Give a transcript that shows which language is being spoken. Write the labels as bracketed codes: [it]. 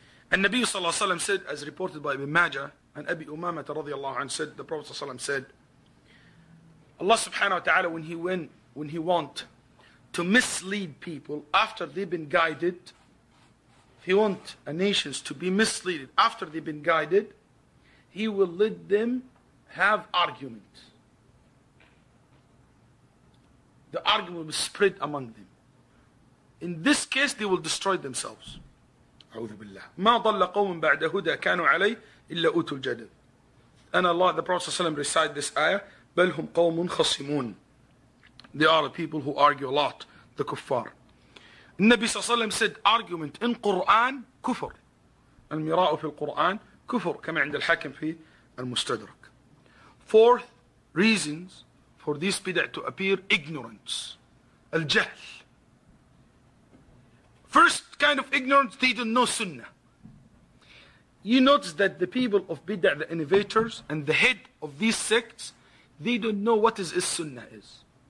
[en] And Nabi sallallahu alayhi wa sallam said, as reported by Ibn Majah and Abi Umamah radiallahu anhu, said, the Prophet sallallahu alayhi wa sallam said, Allah subhanahu wa ta'ala, when he want to mislead people after they've been guided, if he want a nation to be misled after they've been guided, he will let them have argument. The argument will spread among them. In this case, they will destroy themselves. [ar] أعوذ بالله. ما ضل قوم بعد هدى كانوا علي إلا أوتوا الجدل. [en] And Allah, the Prophet ﷺ recited this ayah, [ar] بل هم قوم خصمون. [en] They are a people who argue a lot, the kuffar. [ar] النبي صلى الله عليه وسلم [en] said, argument in Quran, [ar] كفر. المراء في القرآن كفر كما عند الحاكم في المستدرك. [en] Fourth reasons for this bid'ah to appear, ignorance. [ar] الجهل. [en] First kind of ignorance, they don't know sunnah. You notice that the people of bid'ah, the innovators and the head of these sects, they don't know what is sunnah is.